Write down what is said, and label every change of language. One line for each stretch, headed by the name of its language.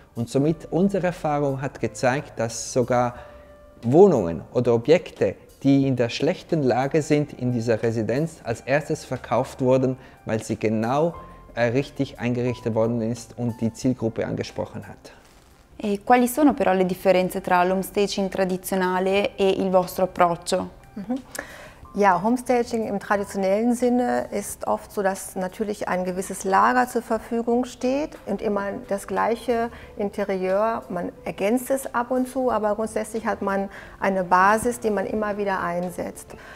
German: Und somit, unsere Erfahrung hat gezeigt, dass sogar Wohnungen oder Objekte, die in der schlechten Lage sind in dieser Residenz, als erstes verkauft wurden, weil sie genau richtig eingerichtet worden ist und die Zielgruppe angesprochen hat.
Italian: E quali sono però le differenze tra l'homestaging tradizionale e il vostro approccio?
German: Ja, Homestaging im traditionellen Sinne ist oft so, dass natürlich ein gewisses Lager zur Verfügung steht und immer das gleiche Interieur. Man ergänzt es ab und zu, aber grundsätzlich hat man eine Basis, die man immer wieder einsetzt.